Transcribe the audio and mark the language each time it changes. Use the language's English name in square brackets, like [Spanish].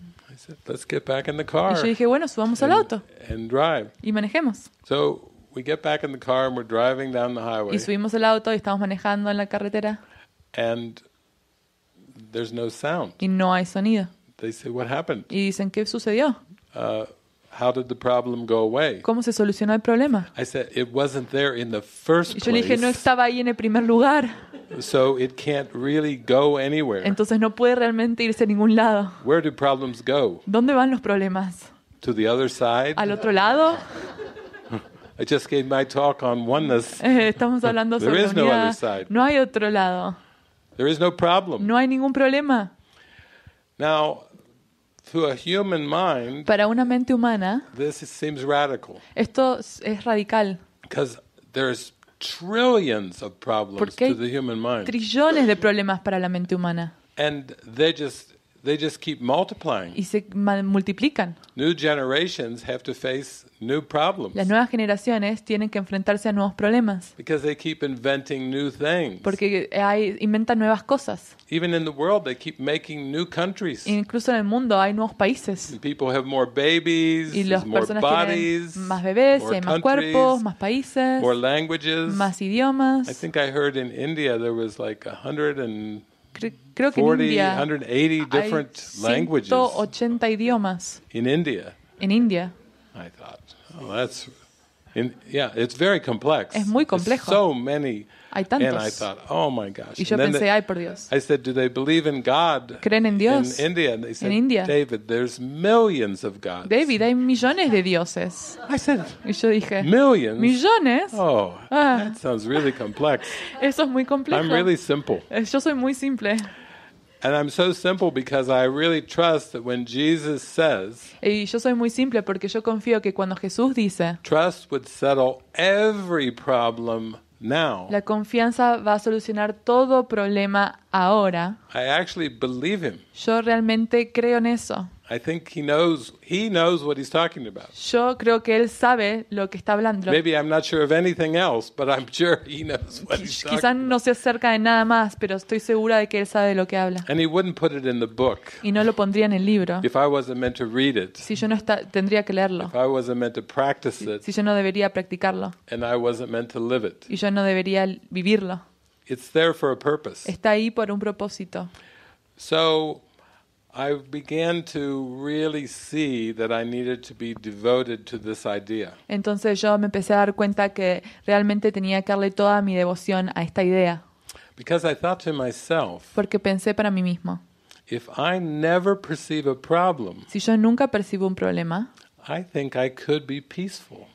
[English] I said, let's get back in the car. [Spanish] Y yo dije, bueno, subamos al auto. [English] And drive. [Spanish] Y manejemos. [English] So we get back in the car and we're driving down the highway. [Spanish] Y subimos el auto y estamos manejando en la carretera. [English] And there's no sound. [Spanish] Y no hay sonido. [English] They say, what happened? [Spanish] Y dicen, ¿qué sucedió? [English] How did the problem go away? [Spanish] ¿Cómo se solucionó el problema? [English] I said, it wasn't there in the first place. [Spanish] Y yo le dije, no estaba ahí en el primer lugar. [English] So it can't really go anywhere. [Spanish] Entonces no puede realmente irse a ningún lado. [English] Where do problems go? [Spanish] ¿Dónde van los problemas? [English] To the other side? [Spanish] ¿Al otro lado? [English] I just gave my talk on oneness. [Spanish] Estamos hablando sobre [English] there is [Spanish] unidad. [English] No other side. [Spanish] No hay otro lado. [English] There is no problem. [Spanish] No hay ningún problema. [English] Now, to a human mind, [Spanish] para una mente humana, [English] this seems radical. [Spanish] Esto es radical. [English] Because there's trillions of problems [Spanish] porque [English] to the human mind. [Spanish] Trillones de problemas para la mente humana. [English] And they just keep multiplying. [Spanish] Y se multiplican. [English] New generations have to face new problems. [Spanish] Las nuevas generaciones tienen que enfrentarse a nuevos problemas. [English] Because they keep inventing new things. [Spanish] Porque inventan nuevas cosas. [English] Even in the world, they keep making new countries. [Spanish] Incluso en el mundo hay nuevos países. [English] And people have more babies. [Spanish] Y las personas [English] more bodies, [Spanish] tienen más bebés, [English] more [Spanish] y hay más cuerpos, más países, [English] more languages, [Spanish] más idiomas. [English] I think I heard in India there was like 100 and [Spanish] creo que [English] 40, [Spanish] en India [English] 180 different languages. [Spanish] 180 idiomas. [English] In India. [Spanish] En India. [English] I thought, oh, that's, it's very complex. [Spanish] Es muy complejo. [English] So many. [Spanish] hay tantos. [English] And I thought, oh my gosh. [Spanish] Y yo pensé, ay, por Dios. [English] I said, do they believe in God? [Spanish] ¿Creen en Dios? [English] In India. And they said, David, there's millions of gods. [Spanish] David, hay millones de dioses. [English] I said, [Spanish] y yo dije, [English] millions? [Spanish] ¿Millones? [English] Oh, that sounds really complex. [Spanish] Eso es muy complejo. [English] I'm really simple. [Spanish] Yo soy muy simple. [English] And I'm so simple because I really trust that when Jesus says, [Spanish] y yo soy muy simple porque yo confío que cuando Jesús dice, [English] trust would settle every problem now. [Spanish] La confianza va a solucionar todo problema ahora. [English] I actually believe him. [Spanish] Yo realmente creo en eso. [English] I think he knows what he's talking about. [Spanish] Yo creo que él sabe lo que está hablando. [English] Maybe I'm not sure of anything else, but I'm sure he knows what he's talking. [Spanish] Quizás no se acerca de nada más, pero estoy segura de que él sabe de lo que habla. [English] And he wouldn't put it in the book. [Spanish] Y no lo pondría en el libro. [English] If I wasn't meant to read it. [Spanish] Si yo no está, tendría que leerlo. [English] If I wasn't meant to practice it. [Spanish] Si yo no debería practicarlo. [English] And I wasn't meant to live it. [Spanish] Y yo no debería vivirlo. [English] It's there for a purpose. [Spanish] Está ahí por un propósito. [English] So I began to really see that I needed to be devoted to this idea. [Spanish] Entonces yo me empecé a dar cuenta que realmente tenía que darle toda mi devoción a esta idea. [English] Because I thought to myself. [Spanish] Porque pensé para mí mismo. [English] If I never perceive a problem. [Spanish] Si yo nunca percibo un problema. [English] I think I could be peaceful.